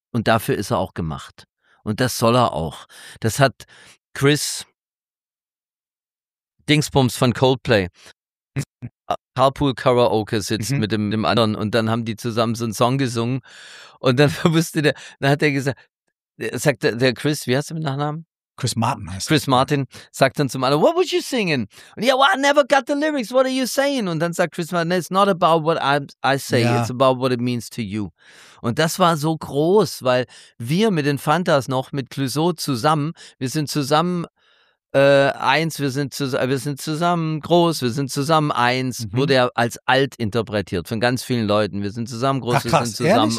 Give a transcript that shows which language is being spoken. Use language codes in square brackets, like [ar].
[de] Und dafür ist er auch gemacht. Und das soll er auch. Das hat Chris Dingsbums von Coldplay. Carpool Karaoke sitzt mit dem anderen und dann haben die zusammen so einen Song gesungen. Und dann wusste der, dann hat er gesagt, sagt der Chris, wie heißt du mit Nachnamen? Chris Martin heißt. Chris Martin sagt dann zum anderen, [en] what would you singing? And yeah, well, I never got the lyrics, what are you saying? [de] Und dann sagt Chris Martin, [en] it's not about what I say, it's about what it means to you. [de] Und das war so groß, weil wir mit den Fantas noch, mit Clouseau zusammen, wir sind zusammen Eins, wir sind zusammen groß, wir sind zusammen eins, wurde ja als alt interpretiert von ganz vielen Leuten. Wir sind zusammen groß, ach, krass, wir sind zusammen ehrlich?